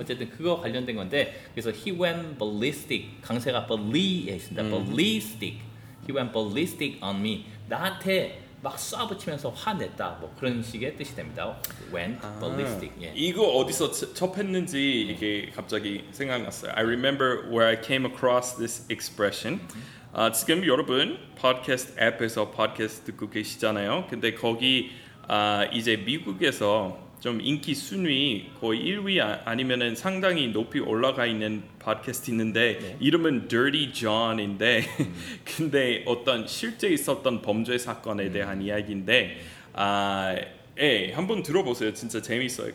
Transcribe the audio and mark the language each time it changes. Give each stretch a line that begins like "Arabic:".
Korean: 어쨌든 그거 관련된 건데 그래서
English: he went ballistic
Korean: 강세가 ballie에 있습니다. Mm-hmm.
English: ballistic he went ballistic on me
Korean: 나한테 막 쏴붙이면서 화냈다 뭐 그런 식의 뜻이 됩니다.
English: Went ballistic. 아, yeah.
Korean: 이거 어디서 접했는지 이게 갑자기 생각났어요.
English: I remember where I came across this expression.
Korean: 지금 여러분 팟캐스트 앱에서 팟캐스트 듣고 계시잖아요. 근데 거기 이제 미국에서 좀 인기 순위 거의 1위 아니면은 상당히 높이 올라가 있는 팟캐스트 있는데 네. 이름은 Dirty John인데 근데 어떤 실제 있었던 범죄 사건에 대한 이야기인데 예, 한번 들어보세요. 진짜 재밌어요.